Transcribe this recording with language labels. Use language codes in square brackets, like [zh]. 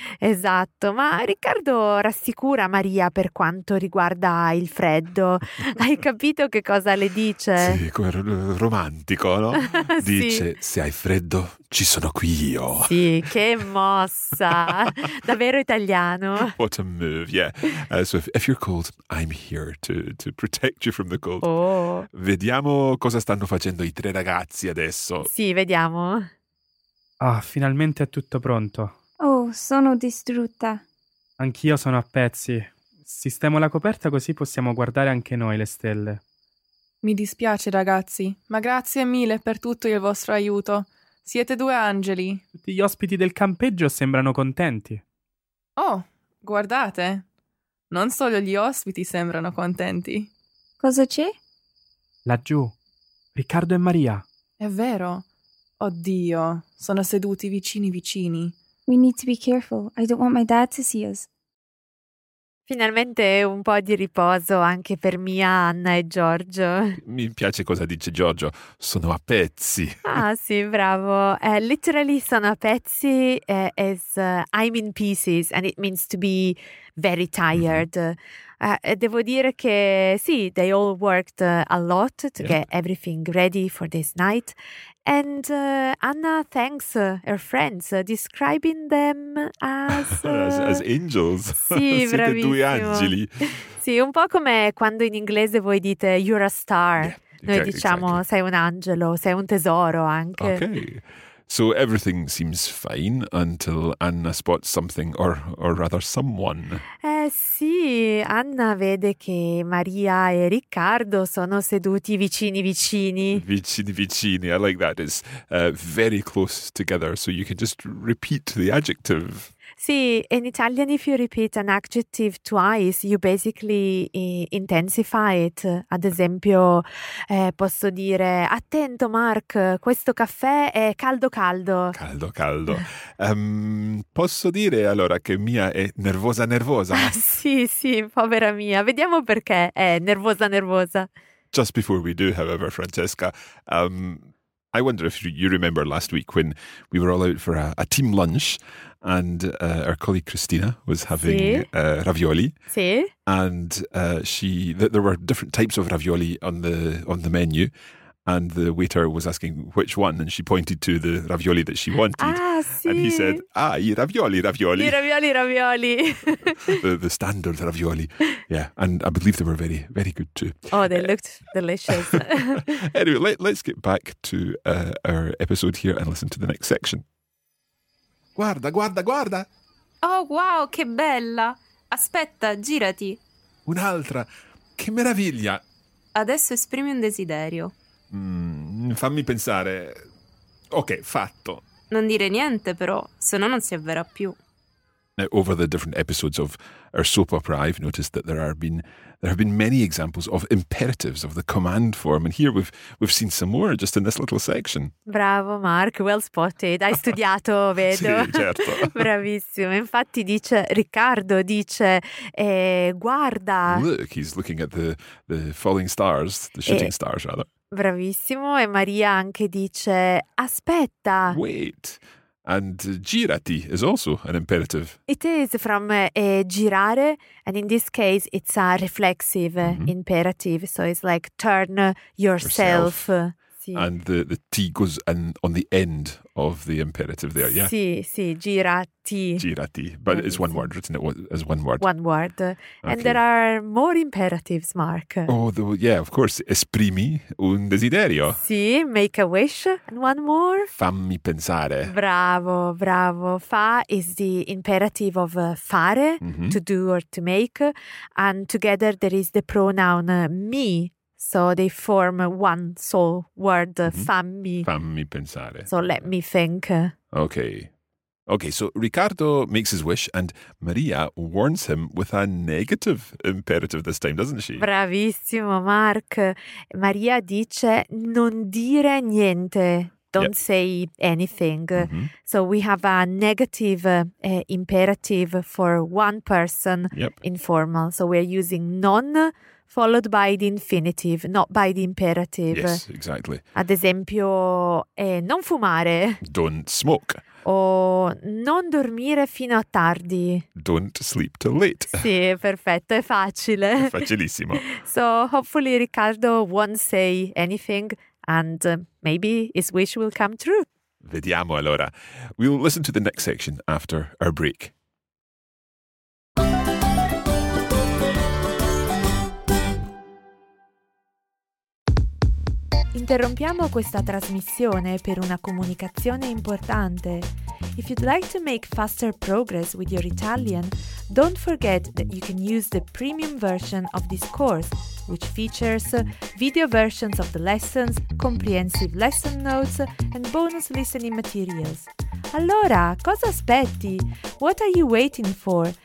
[it] Esatto, ma Riccardo rassicura Maria per quanto riguarda il freddo. Hai capito che cosa le dice? Sì, come romantico, no? Dice, sì. Se hai freddo, ci sono qui io. Sì, che mossa! Davvero italiano. [en] What a move, yeah. So if you're cold, I'm here to protect you from the cold. Oh. [it] Vediamo cosa stanno facendo i tre ragazzi adesso. Sì, vediamo. Ah, finalmente è tutto pronto. Oh, sono distrutta. Anch'io sono a pezzi. Sistemo la coperta così possiamo guardare anche noi le stelle. Mi dispiace, ragazzi, ma grazie mille per tutto il vostro aiuto. Siete due angeli. Tutti gli ospiti del campeggio sembrano contenti. Oh, guardate. Non solo gli ospiti sembrano contenti. Cosa c'è? Laggiù. Riccardo e Maria. È vero. Oddio, sono seduti vicini vicini. [en] We need to be careful. I don't want my dad to see us. [it] Finalmente un po' di riposo anche per Mia, Anna e Giorgio. Mi piace cosa dice Giorgio. Sono a pezzi. Ah, sì, bravo. [en] Literally [it] sono a pezzi [en] is I'm in pieces and it means to be very tired. [it] Devo dire che sì, [en] they all worked a lot to get everything ready for this night. And Anna thanks her friends, describing them as... as angels. [it] Sì, siete bravissimo. Due angeli. Sì, un po' come quando in inglese voi dite [en] you're a star. Yeah, [it] noi [en] okay, [it] diciamo [en] exactly. [it] Sei un angelo, sei un tesoro anche. Ok. [en] So everything seems fine until Anna spots something, or rather someone. [it] Sì, Anna vede che Maria e Riccardo sono seduti vicini vicini. Vicini vicini, [en] I like that. It's very close together, so you can just repeat the adjective. Sì, in Italian if you repeat an adjective twice, you basically intensify it. [it] Ad esempio, posso dire, attento Mark, questo caffè è caldo caldo. Caldo caldo. Posso dire allora che Mia è nervosa nervosa? Sì, sì, povera Mia. Vediamo perché è nervosa nervosa. [en] Just before we do, however, Francesca, I wonder if you remember last week when we were all out for a team lunch and our colleague Christina was having ravioli. [it] Sí. [en] And there were different types of ravioli on the menu. And the waiter was asking which one, and she pointed to the ravioli that she wanted. Ah, sì. And he said, [it] ah, i ravioli, ravioli. I ravioli, ravioli. [en] the standard ravioli. Yeah, and I believe they were very, very good too. Oh, they looked delicious. Anyway, let's get back to our episode here and listen to the next section. [it] Guarda, guarda, guarda! Oh, wow, che bella! Aspetta, girati! Un'altra! Che meraviglia! Adesso esprimi un desiderio. Fammi pensare. Ok, fatto. Non dire niente però, se no non si avvera più. [en] Now, over the different episodes of our soap opera, I've noticed that there have been many examples of imperatives of the command form. And here we've seen some more just in this little section. [it] Bravo, Mark. [en] Well spotted. [it] Hai studiato, vedo. Sì, certo. Bravissimo. Infatti dice, Riccardo dice, guarda. [en] Look, he's looking at the falling stars, the shooting stars, rather. [it] Bravissimo. E Maria anche dice, aspetta. [en] Wait. And girati is also an imperative. It is from girare, and in this case it's a reflexive mm-hmm. imperative, so it's like turn yourself. [it] Sì. [en] And the T goes on the end of the imperative there, yeah? [it] Sì, sì, girati. [en] Girati, but it's one word, written it as one word. One word. Okay. And there are more imperatives, Mark. Oh, of course. [it] Esprimi un desiderio. [en] Sì, make a wish. And one more. [it] Fammi pensare. Bravo, bravo. [en] Fa is the imperative of fare, mm-hmm. to do or to make. And together there is the pronoun mi. So they form one sole word, mm-hmm. [it] fammi. Fammi pensare. [en] So let me think. Okay. Okay, so Riccardo makes his wish and Maria warns him with a negative imperative this time, doesn't she? [it] Bravissimo, Mark. Maria dice non dire niente. [en] Don't yep. say anything. Mm-hmm. So we have a negative imperative for one person, yep. informal. So we're using non followed by the infinitive, not by the imperative. Yes, exactly. [it] Ad esempio, non fumare. [en] Don't smoke. [it] O non dormire fino a tardi. [en] Don't sleep till late. [it] Sì, perfetto, è facile. È facilissimo. [en] So hopefully Riccardo won't say anything and maybe his wish will come true. [it] Vediamo allora. [en] We'll listen to the next section after our break. [it] Interrompiamo questa trasmissione per una comunicazione importante. [en] If you'd like to make faster progress with your Italian, don't forget that you can use the premium version of this course, which features video versions of the lessons, comprehensive lesson notes, and bonus listening materials. [it] Allora, cosa aspetti? [en] What are you waiting for?